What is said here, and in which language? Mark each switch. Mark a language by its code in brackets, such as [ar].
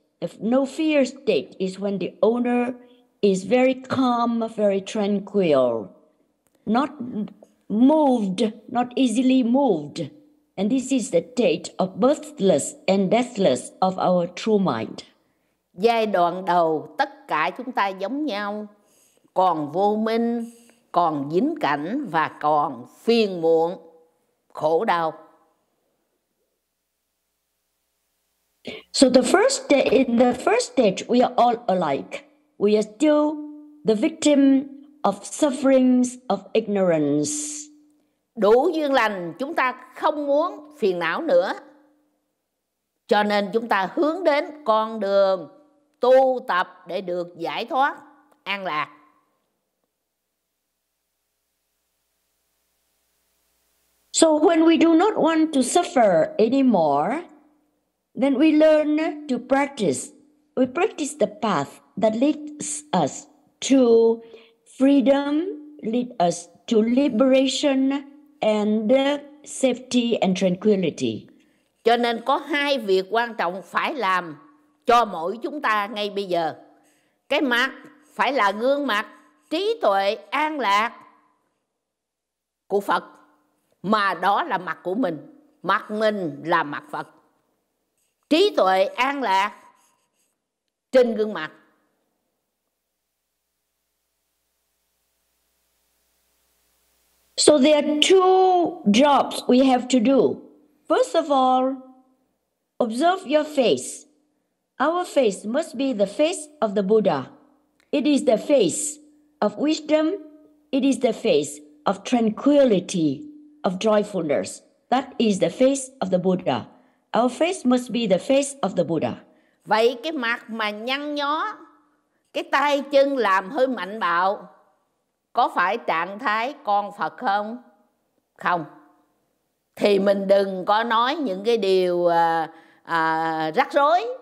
[en] If no fear state is when the owner is very calm, very tranquil, not moved, not easily moved. And this is the state of birthless and deathless of our true mind. [vi] Giai đoạn đầu, tất cả chúng ta giống nhau, còn vô minh, còn dính cảnh và còn phiền muộn, khổ đau. [en] So in the first stage, we are all alike. We are still the victim of sufferings of ignorance. [vi] Đủ duyên lành, chúng ta không muốn phiền não nữa. Cho nên chúng ta hướng đến con đường tu tập để được giải thoát, an lạc. [en] So when we do not want to suffer anymore, then we learn to practice. We practice the path that leads us to freedom, leads us to liberation and safety and tranquility. [vi] Cho nên có hai việc quan trọng phải làm cho mỗi chúng ta ngay bây giờ. Cái mặt phải là gương mặt trí tuệ an lạc của Phật, mà đó là mặt của mình. Mặt mình là mặt Phật. Trí tuệ an lạc trên gương mặt. [en] So there are two jobs we have to do. First of all, observe your face. Our face must be the face of the Buddha. It is the face of wisdom. It is the face of tranquility, of joyfulness. That is the face of the Buddha. Our face must be the face of the Buddha. [vi] Vậy cái mặt mà nhăn nhó, cái tay chân làm hơi mạnh bạo, có phải trạng thái con Phật không? Không. Thì mình đừng có nói những cái điều rắc rối.